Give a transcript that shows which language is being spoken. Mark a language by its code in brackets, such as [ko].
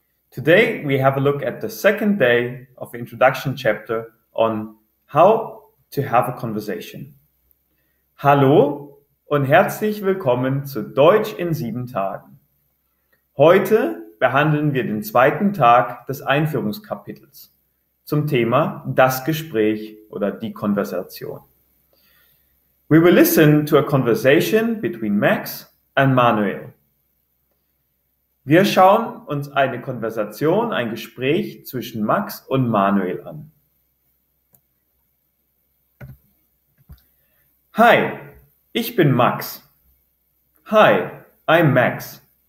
[en] Today we have a look at the second day of the introduction chapter on how to have a conversation. [de] Hallo und herzlich willkommen zu Deutsch in 7 Tagen. Heute behandeln wir den zweiten Tag des Einführungskapitels zum Thema das Gespräch oder die Konversation. [en] We will listen to a conversation between Max and Manuel. [de] Wir schauen uns eine Konversation, ein Gespräch zwischen Max und Manuel an. Hi, ich bin Max. [en] Hi, I'm Max.